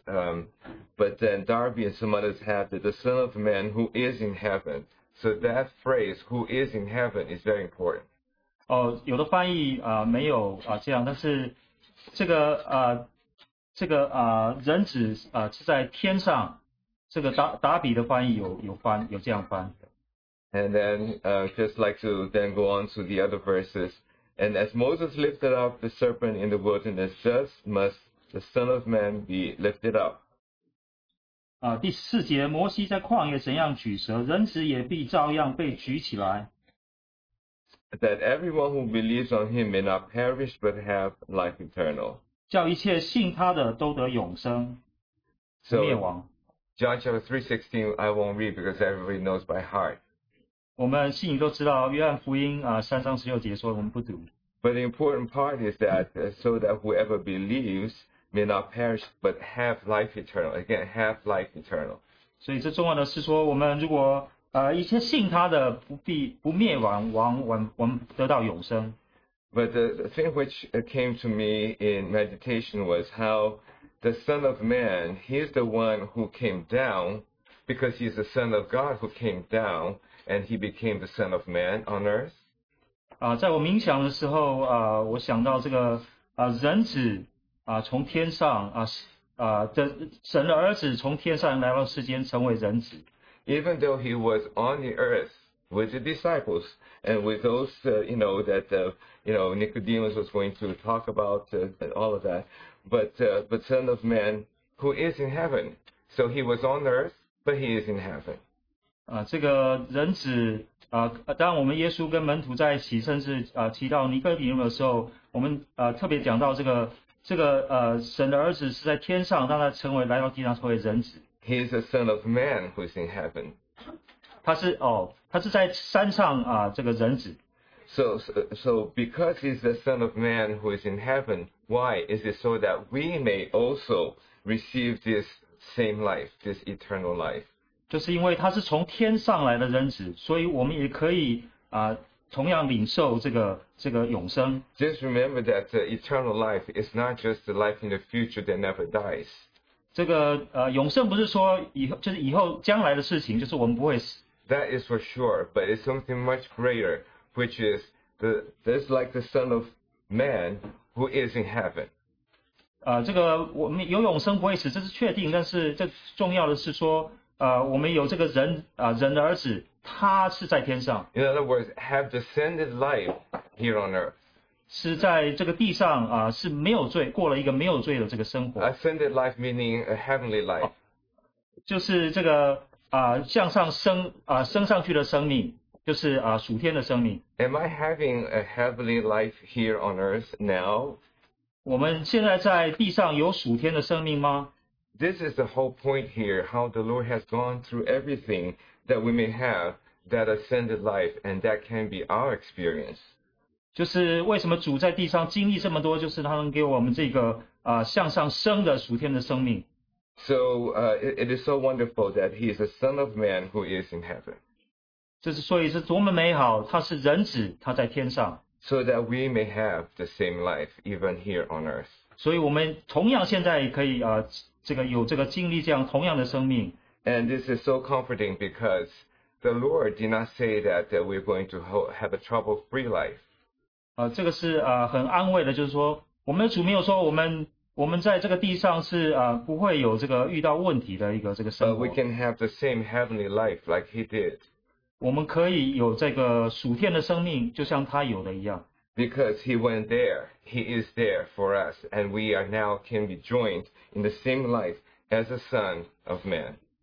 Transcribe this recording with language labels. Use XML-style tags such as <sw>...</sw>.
<en>But then Darby and some others have the Son of Man who is in heaven. So that phrase, who is in heaven, is very important.</en> <zh>有的翻译没有这样，但是人子是在天上，这个达比的翻译有这样翻。</zh> <en>And then just like to then go on to the other verses. And as Moses lifted up the serpent in the wilderness, thus must the Son of Man be lifted up.</en> <zh>第四节，摩西在旷野怎样举蛇，人子也必照样被举起来。</zh> <en>That everyone who believes on him may not perish but have life eternal.</en> <zh>叫一切信他的都得永生, 灭亡。</zh> <en>So, John chapter 3:16, I won't read because everybody knows by heart.</en> <zh>我们信徒都知道,约翰福音3章16节说我们不读。</zh> <en>But the important part is that so that whoever believes may not perish but have life eternal. Again, have life eternal.</en> <zh>所以这重要的是说我们如果一些信他的不灭亡，我们得到永生。</zh> <en>But the thing which came to me in meditation was how the Son of Man, he is the one who came down, because he is the Son of God who came down, and he became the Son of Man on earth.</en> <zh>在我冥想的时候，我想到这个人子从天上神的儿子从天上来到世间，成为人子。</zh> <en>Even though he was on the earth with the disciples and with those, Nicodemus was going to talk about all of that, but Son of Man who is in heaven, so he was on earth, but he is in heaven.</en> <zh>这个人子当我们耶稣跟门徒在一起，甚至提到尼哥底母的时候，我们特别讲到这个神的儿子是在天上，让他成为来到地上成为人子。</zh> <en>He is the Son of Man who is in heaven.</en> <zh>他是在山上这个人子。</zh> <en>So because he's the Son of Man who is in heaven, why is it so that we may also receive this same life, this eternal life?</en> <zh>就是因为他是从天上来的人子，所以我们也可以同样领受这个永生。</zh> <en>Just remember that the eternal life is not just the life in the future that never dies.</en> <zh>这个永生不是说以后将来的事情，就是我们不会死。</zh> <en>That is for sure, but it's something much greater, which is this like the Son of Man who is in heaven.</en> <zh>这个我们有永生不会死，这是确定。但是这重要的是说，我们有这个人的儿子，他是在天上。</zh> <en>In other words, have descended life here on earth.</en> <zh>是在这个地上是没有罪，过了一个没有罪的这个生活。</zh> <en>Ascended life meaning a heavenly life.</en> <zh>就是这个向上升升上去的生命，就是属天的生命。</zh> <en>Am I having a heavenly life here on earth now?</en> <zh>我们现在在地上有属天的生命吗？</zh> <en>This is the whole point here, how the Lord has gone through everything that we may have that ascended life and that can be our experience.</en> <zh>就是为什么主在地上经历这么多，就是他能给我们这个向上升的属天的生命。</zh> <en>So, it is so wonderful that he is the Son of Man who is in heaven.</en> <zh>这是所以是多么美好，他是人子，他在天上。</zh> <en>So that we may have the same life even here on earth.</en> <zh>所以我们同样现在可以有这个经历这样同样的生命。</zh> <en>And this is so comforting because the Lord did not say that we're going to have a trouble-free life.</en> <zh>这个是很安慰的，就是说我们的主没有说我们在这个地上是不会有这个遇到问题的一个这个生活。</zh> <en>But we can have the same heavenly life like he did.</en> <zh>我们可以有这个属天的生命，就像他有的一样。</zh> <en>Because he went there, he is there for us, and we are now can be joined in the same life as the Son of Man.</en>